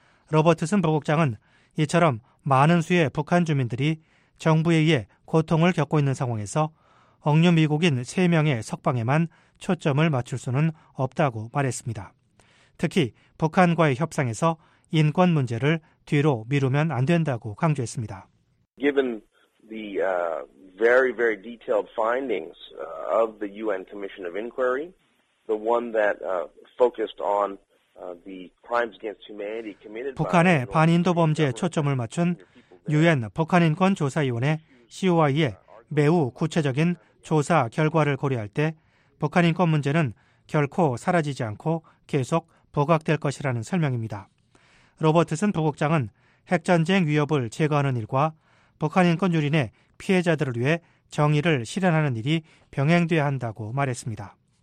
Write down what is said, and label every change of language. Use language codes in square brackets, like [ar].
[ko] 로버트슨 부국장은 이처럼 많은 수의 북한 주민들이 정부에 의해 고통을 겪고 있는 상황에서 억류 미국인 3명의 석방에만 초점을 맞출 수는 없다고 말했습니다. 특히 북한과의 협상에서 인권 문제를 뒤로 미루면 안 된다고 강조했습니다. [en] Given the very very detailed findings of the UN Commission of Inquiry, the one that focused on the crimes against humanity committed [ko] 북한의 반인도 범죄에 초점을 맞춘 UN 북한인권조사위원회 COI의 매우 구체적인 조사 결과를 고려할 때 북한 인권 문제는 결코 사라지지 않고 계속 부각될 것이라는 설명입니다. 로버트슨 부국장은 핵전쟁 위협을 제거하는 일과 북한 인권 유린의 피해자들을 위해 정의를 실현하는 일이 병행돼야 한다고 말했습니다.